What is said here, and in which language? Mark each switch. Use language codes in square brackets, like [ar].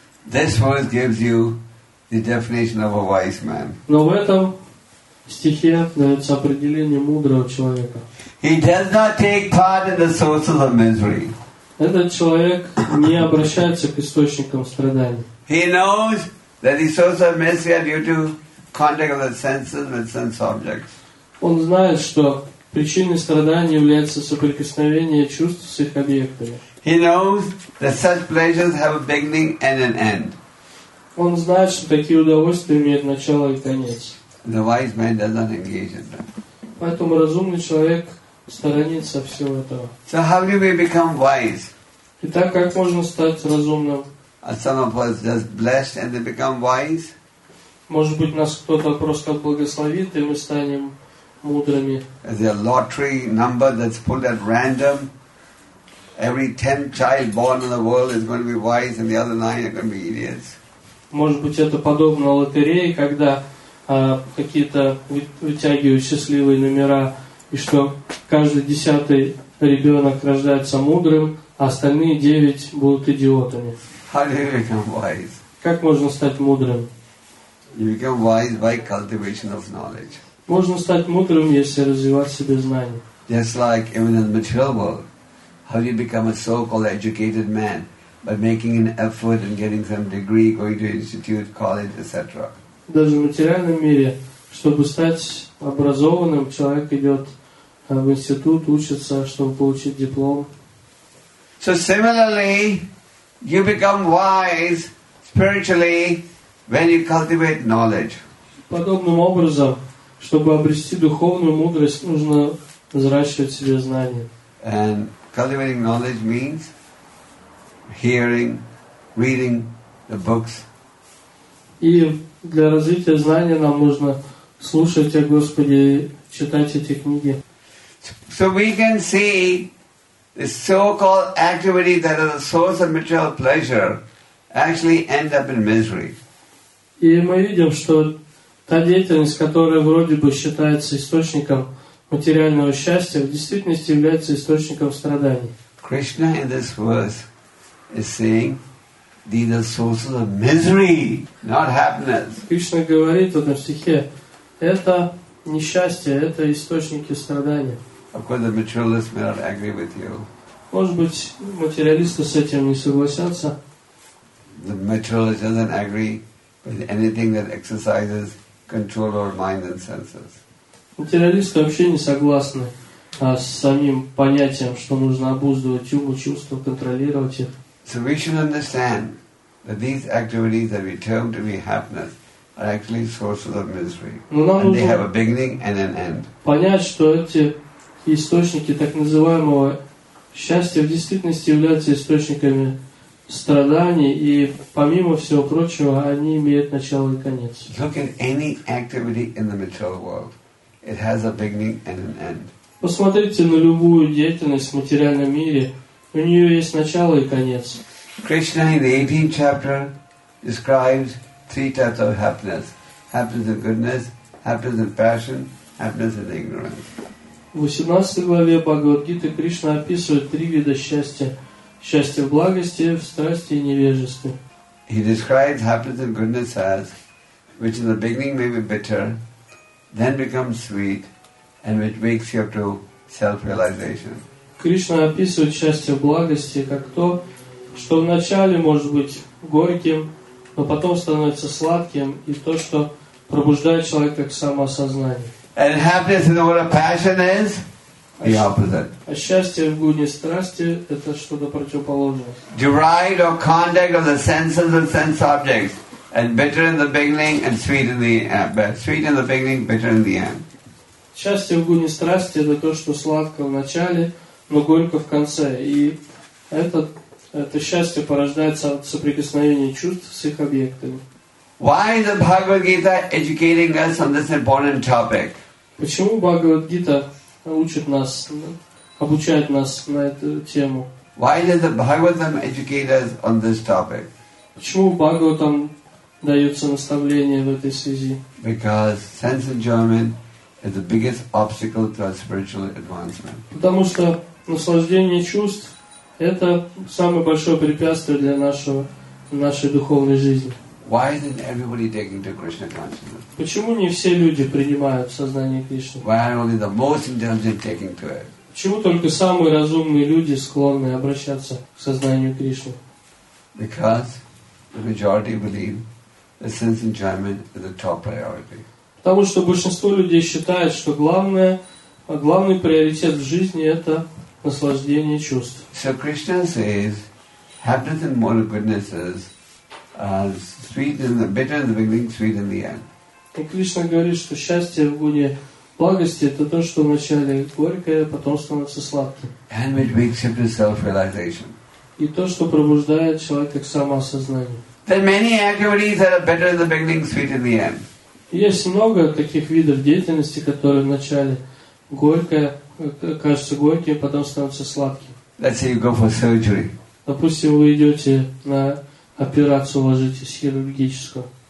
[en] This verse gives you the definition of a wise man. [ru] Но в этом стихе дается определение мудрого человека. [en] He does not take part in the sources of misery. [ru] Этот человек не обращается к источникам страданий. [en] He knows that the source of misery is due to contact of the senses with sense objects. [ru] Он знает, что причиной страдания является соприкосновение чувств с их объектами. [en] He knows that such pleasures have a beginning and an end. [ru] Он знает, что такие удовольствия имеют начало и конец. [en] The wise man does not engage in them. [ru] Поэтому разумный человек сторонится всего этого. [en] So how do we become wise? [ru] Итак, как можно стать разумным? [en] Are some of us just blessed and they become wise? [ru] Может быть, нас кто-то просто благословит и мы станем мудрыми? [en] Is there a lottery number that's pulled at random? Every 10th child born in the world is going to be wise and the other 9 are going to be idiots. [ru] Может быть, это подобно лотерее, когда какие-то вытягивают счастливые номера, и что каждый 10-й ребенок рождается мудрым, а остальные 9 будут идиотами. [en] How do you become wise? [ru] Как можно стать мудрым? [en] You become wise by cultivation of knowledge. [ru] Можно стать мудрым, если развивать в себе знания. [en] Just like even in the material world, how do you become a so-called educated man? By making an effort and getting some degree, going to institute, college, etc. [ru] Даже в материальном мире, чтобы стать образованным, человек идет в институт, учится, чтобы получить диплом. [en] So similarly, you become wise spiritually when you cultivate knowledge. [ru] Подобным образом, чтобы обрести духовную мудрость, нужно взращивать в себе знания. [en] And cultivating knowledge means hearing, reading the books. [ru] И для развития знания нам нужно слушать о Господе, читать эти книги. [en] So we can see the so-called activity that is a source of material pleasure actually end up in misery. [ru] И мы видим, что та деятельность, которая вроде бы считается источником материального счастья, в действительности является источником страданий. [en] Krishna in this verse is saying these are sources of misery, not happiness. [ru] Кришна говорит в этом стихе, это несчастье, это источники страдания. [en] Of course, the materialists may not agree with you. [ru] Может быть, материалисты с этим не согласятся. [en] The materialist doesn't agree with anything that exercises control over mind and senses. [ru] Материалисты вообще не согласны с самим понятием, что нужно обуздывать ум и чувства, контролировать их. [en] So we should understand that these activities that we term to be happiness are actually sources of misery. And they have a beginning and an end. [ru] Понять, что эти источники так называемого счастья в действительности являются источниками страданий, и помимо всего прочего, они имеют начало и конец. [en] Look at any activity in the material world. It has a beginning and an end. [ru] Посмотрите на любую деятельность в материальном мире. У нее есть начало и конец. [en] Krishna in the 18th chapter describes 3 types of happiness. Happiness in goodness, happiness in passion, happiness in ignorance. [ru] В 18 главе Бхагавад-гиты Кришна описывает 3 вида счастья. Счастье в благости, в страсти и невежестве. [en] He describes happiness in goodness as, which in the beginning may be bitter, then becomes sweet, and which wakes you up to self-realization. [ru] Кришна описывает счастье в благости как то, что вначале может быть горьким, но потом становится сладким, и то, что пробуждает человека к самосознанию. [en] And happiness is what a passion is? the opposite. [ru] А счастье в гуне страсти – это что-то противоположное. [en] Deride or conduct of the senses and sense objects, and bitter in the beginning and sweet in the end. Sweet in the beginning, bitter in the end. [ru] Счастье в гуне страсти – это то, что сладко в начале, но горько в конце. И это счастье порождается от соприкосновения чувств с их объектами. [en] Why is the Bhagavad Gita educating us on this important topic? [ru] Почему Бхагавад Гита учит нас, обучает нас на эту тему? [en] Why does the Bhagavatam educate us on this topic? [ru] Почему Бхагаватам дается наставление в этой связи? [en] Because sense enjoyment is the biggest obstacle to our spiritual advancement. [ru] Потому что наслаждение чувств – это самое большое препятствие для нашей духовной жизни. [en] Why isn't everybody taking to Krishna consciousness? [ru] Почему не все люди принимают сознание Кришны? [en] Why are only the most intelligent taking to it? [ru] Почему только самые разумные люди склонны обращаться к сознанию Кришны? [en] Because the majority believe that sense enjoyment is the top priority. [ru] Потому что большинство людей считает, что главный приоритет в жизни это наслаждение чувств. [en] So Krishna says, happiness and moral goodness is sweet in the bitter in the beginning, sweet in the end. [ru] И Кришна говорит, что счастье в гуне благости это то, что вначале горькое, потом становится сладким. [en] And which makes him to self-realization. [ru] И то, что пробуждает человека к самоосознанию. [en] There are many activities that are bitter in the beginning, sweet in the end. [ru] Есть много таких видов деятельности, которые вначале горькое, кажется горьким, потом становится сладким. [en] Let's say you go for surgery. [ru] Допустим, вы идете на операцию ложитесь хирургическую.